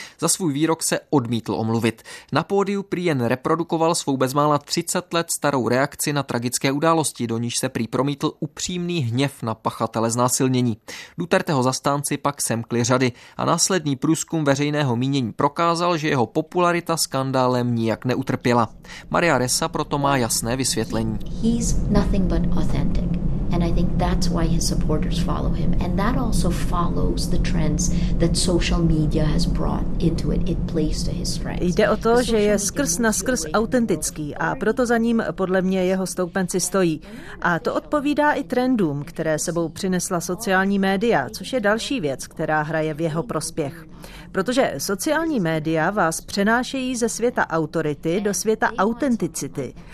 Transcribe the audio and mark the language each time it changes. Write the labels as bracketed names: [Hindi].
[Czech] Za svůj výrok se odmítl omluvit. Na pódiu prý jen reprodukoval svou bezmála 30 let starou reakci na tragické události, do níž se prý promítl upřímný hněv na pachatele znásilnění. Duterteho zastánci pak semkli řady a následný průzkum veřejného mínění prokázal, že jeho popularita skandálem nijak neutrpěla. Maria Ressa proto má jasné vysvětlení. [English] He's nothing but authentic. And I think that's why his supporters follow him. And that also follows the trends that social media has brought into it. It plays to his strengths. [Czech] Jde o to, že je skrz naskrz autentický a proto za ním podle mě jeho stoupenci stojí. A to odpovídá i trendům, které sebou přinesla sociální média, což je další věc, která hraje v jeho prospěch. Protože sociální média vás přenášejí ze světa autority do světa autenticity.